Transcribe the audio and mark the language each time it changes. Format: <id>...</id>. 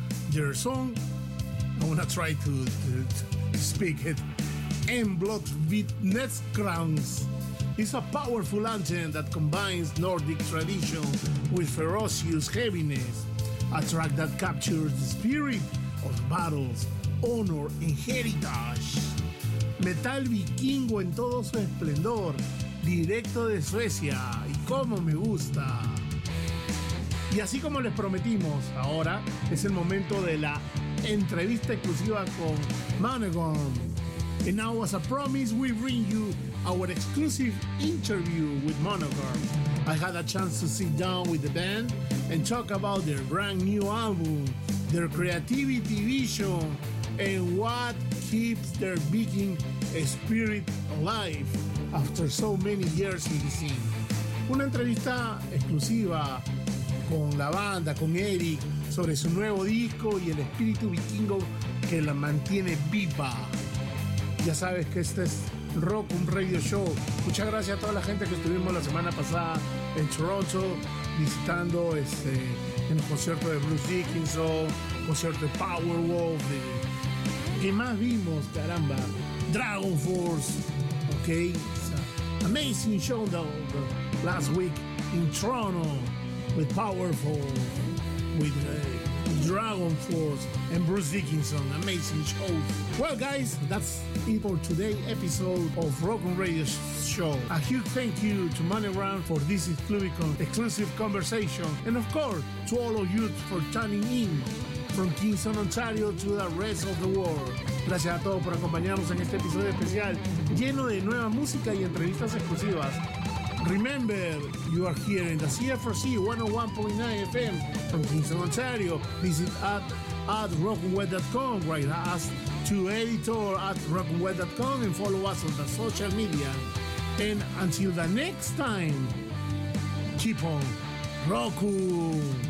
<en>Their song, I want to try to speak it, Enblot vid Nedskrans, is a powerful anthem that combines Nordic tradition with ferocious heaviness. A track that captures the spirit of battles, honor, and heritage.</en> <es>Metal vikingo en todo su esplendor. Directo de Suecia y como me gusta. Y así como les prometimos, ahora es el momento de la entrevista exclusiva con Manegon.</es> <en>And now, as a promise, we bring you our exclusive interview with Manegon. I had a chance to sit down with the band and talk about their brand new album, their creativity vision, and what keeps their Viking spirit alive after so many years in the scene.</en> <es>Una entrevista exclusiva con la banda, con Eric, sobre su nuevo disco y el espíritu vikingo que la mantiene viva. Ya sabes que este es Rock Room Radio Show. Muchas gracias a toda la gente que estuvimos la semana pasada en Toronto visitando en el concierto de Bruce Dickinson, concierto de Powerwolf, de... ¿Qué más vimos? Caramba. Dragon Force. Ok.</es> <en>Amazing show though. Last week in Toronto with Powerful, with Dragon Force and Bruce Dickinson. Amazing show. Well, guys, that's it for today's episode of Rock and Radio Show. A huge thank you to Money Run for this exclusive conversation. And of course, to all of you for tuning in from Kingston, Ontario to the rest of the world.</en> <es>Gracias a todos por acompañarnos en este episodio especial lleno de nueva música y entrevistas exclusivas.</es> <en>Remember, you are here in the CFRC 101.9 FM from Kingston, Ontario. Visit us at rockandweb.com, write us to editor at rockandweb.com, and follow us on the social media. And until the next time, keep on rocking.</en>